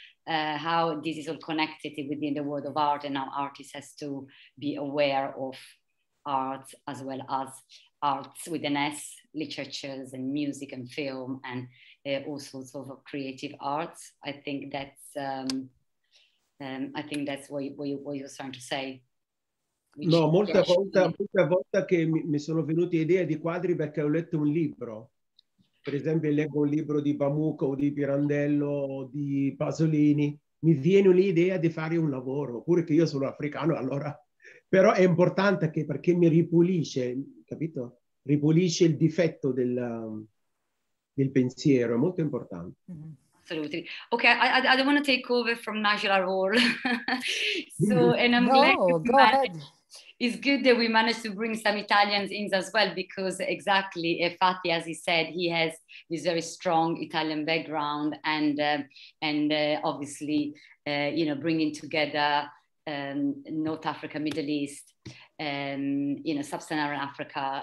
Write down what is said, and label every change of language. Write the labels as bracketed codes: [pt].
[en] how this is all connected within the world of art and how artists has to be aware of art as well as arts with an S, literatures and music and film and all sorts of creative arts. I think that's what you're trying to say. [it] No, molte volte che mi sono venute idee di quadri perché ho letto un libro. Per esempio, leggo un libro di Pamuk o di Pirandello o di Pasolini. Mi viene un'idea di fare un lavoro, pure che io sono africano, allora. Però è importante che, perché mi ripulisce, capito? Ripulisce il difetto del pensiero, è molto importante. [en] Mm-hmm. Absolutely. Okay, I don't want to take over from Najla Roll. So, and I'm glad it's good that we managed to bring some Italians in as well, because exactly, Fatih, as he said, he has this very strong Italian background, and obviously, you know, bringing together North Africa, Middle East, you know, Sub-Saharan Africa.